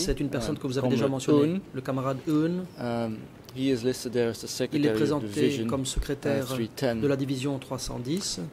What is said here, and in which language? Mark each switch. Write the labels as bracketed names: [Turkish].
[French] C'est une personne que vous avez déjà mentionné, le camarade Eun. [English] He is listed there as the secretary of division 310. [French] Il est présenté comme secrétaire de la division 310.